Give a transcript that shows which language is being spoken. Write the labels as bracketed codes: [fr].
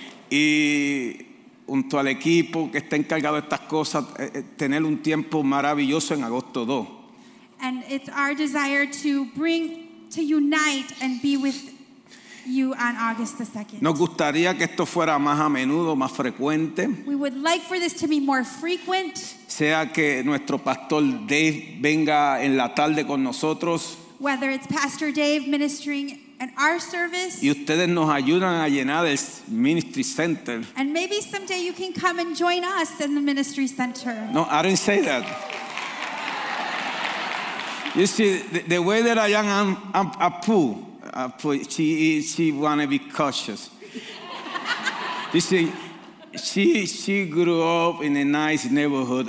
[es] Y junto al equipo que está encargado de estas cosas, tener un tiempo maravilloso en agosto 2. [en] And it's our desire to bring, to unite and be with you on August the 2nd. [es] Nos gustaría que esto fuera más a menudo, más frecuente. [en] We would like for this to be more frequent. [es] Sea que nuestro pastor Dave venga en la tarde con nosotros. [en] Whether it's Pastor Dave ministering in our service. [es] Y ustedes nos ayudan a llenar el ministry center. [en] And maybe someday you can come and join us in the ministry center. No, I didn't say that. You see, the way that I am, Apu, she wanna be cautious. You see, she grew up in a nice neighborhood.